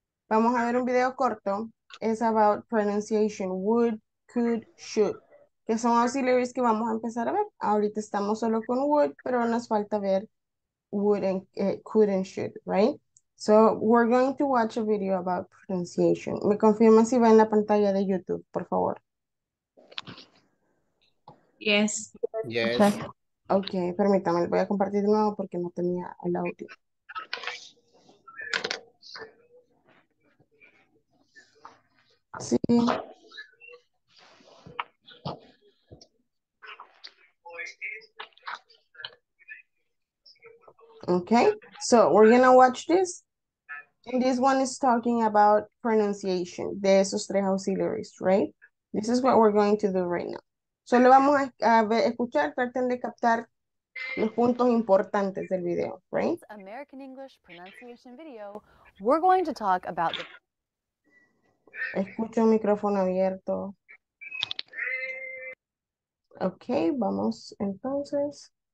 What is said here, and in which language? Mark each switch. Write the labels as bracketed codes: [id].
[es] Vamos a ver un video corto. [en] It's about pronunciation. [es] Would, could, should. Que son auxiliaries que vamos a empezar a ver. Ahorita estamos solo con would, pero nos falta ver would and could and should, right? [en] So we're going to watch a video about pronunciation. [es] Me confirma si va en la pantalla de YouTube, por favor. [en] Yes. Yes. [es] Okay, permítame, voy a compartir de nuevo porque no tenía el audio. Sí. [en] Okay, so we're gonna watch this. And this one is talking about pronunciation, [es] de esos tres [en] auxiliaries, right? This is what we're going to do right now. [es] Solo vamos a escuchar, traten de captar los puntos importantes del video, right? [en] American English pronunciation video, we're going to talk about... [es] Escucho un micrófono abierto. Okay, vamos entonces.